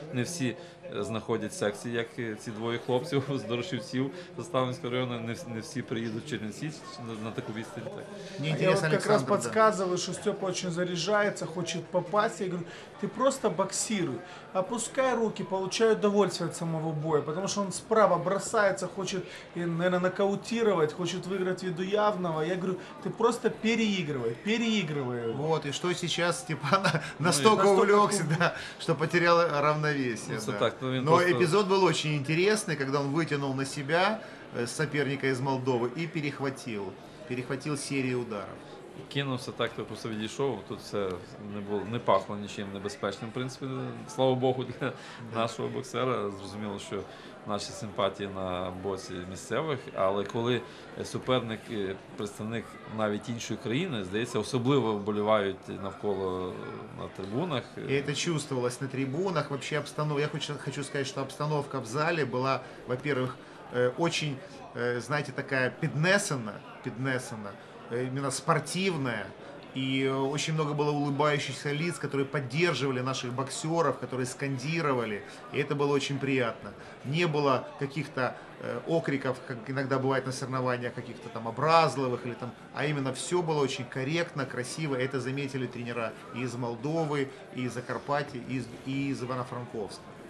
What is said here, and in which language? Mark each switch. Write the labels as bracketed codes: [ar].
[uk] Не всі знаходять секції, як ці двоє хлопців з Дорошівців з Ставницького району, не всі приїдуть в Чернівці на таку відстань. Так. Я от якраз Александр, підказував, що Степа дуже заряджається, хоче попасти. Я кажу, ти просто боксируй, опускай руки, [ru] получай удовольствие [uk] від самого бою, тому що він справа бросається, хоче, наверное, нокаутувати, хоче виграти від уявного. [ru] Я кажу, ты просто переигрывай. Вот, и что сейчас Степан настолько увлекся, да, что потерял равновесие. Ну, да. [uk] Так, [ru] но просто эпизод был очень интересный, когда он вытянул на себя соперника из Молдовы и перехватил серию ударов. [uk] Кинувся так, то просто відійшов. Тут все не було, не пахло нічим небезпечним. В принципі, слава Богу, для нашого боксера. Зрозуміло, що наші симпатії на боці місцевих. Але коли суперник, представник навіть іншої країни, здається, особливо вболівають навколо на трибунах. І це чувствовалось на трибунах. Взагалі обстановка. Я хочу сказати, що обстановка в залі була, [ru] во-первых, очень, [uk] знаєте, така піднесена. [ru] Именно спортивная, и очень много было улыбающихся лиц, которые поддерживали наших боксеров, которые скандировали, и это было очень приятно. Не было каких-то окриков, как иногда бывает на соревнованиях, каких-то там образливых, или там, а именно все было очень корректно, красиво, это заметили тренера и из Молдовы, и из Закарпатья, и из Івано-Франковска.